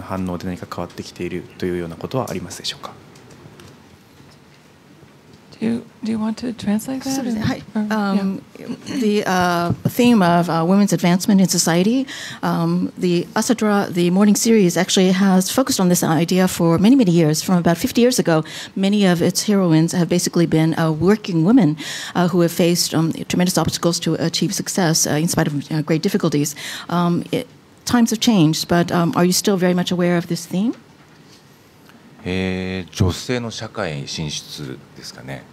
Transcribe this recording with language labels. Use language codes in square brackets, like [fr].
[ja] ブロゴスの成田と桜井さんにお聞きしたいんですけれども、今日本では非常に女性の社会進出という話が女性の社会進出という話が出てきておりますで、朝ドラはですね、もう50年以上前から働く女性とか、あるいはその厳しい社会環境とか背景の中で戦う女性を描いてきたわけですけれども、今こういう機運が高まってきている中でですね、意識されていることはあるのかとか、あるいはその視聴者からの反応で何か変わってきているというようなことはありますでしょうか。 [en] Do you want to translate that? The theme of women's advancement in society, the Asadra, the morning series, actually has focused on this idea for many, many years. From about 50 years ago, many of its heroines have basically been working women who have faced tremendous obstacles to achieve success in spite of great difficulties. Times have changed, but are you still very much aware of this theme? [ja] 女性の社会進出ですかね。